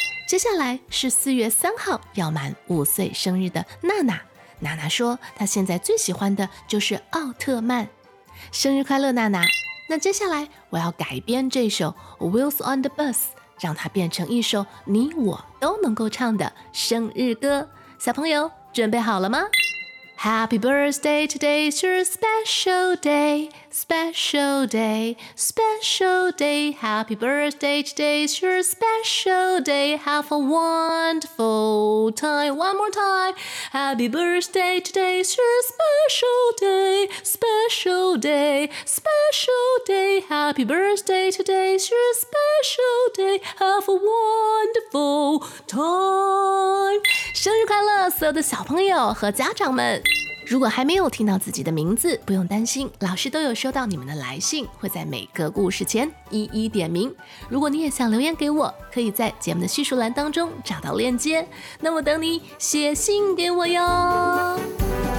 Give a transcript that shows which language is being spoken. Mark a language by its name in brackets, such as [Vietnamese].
[Chinese] 接下来是4月3号要满5岁生日的娜娜，娜娜说她现在最喜欢的就是奥特曼，生日快乐娜娜。那接下来我要改编这首 Wheels on the Bus， 让它变成一首你我都能够唱的生日歌，小朋友准备好了吗？ [English] Happy birthday, today's your special day, special day, special day. Happy birthday, today's your special day. Have a wonderful time. One more time. Happy birthday, today's your special day, special day, special day. Happy birthday, today's your special day. Have a wonderful time. [Chinese] 生日快乐，所有的小朋友和家长们。如果还没有听到自己的名字，不用担心，老师都有收到你们的来信，会在每个故事前一一点名。如果你也想留言给我，可以在节目的叙述栏当中找到链接，那我等你写信给我哟。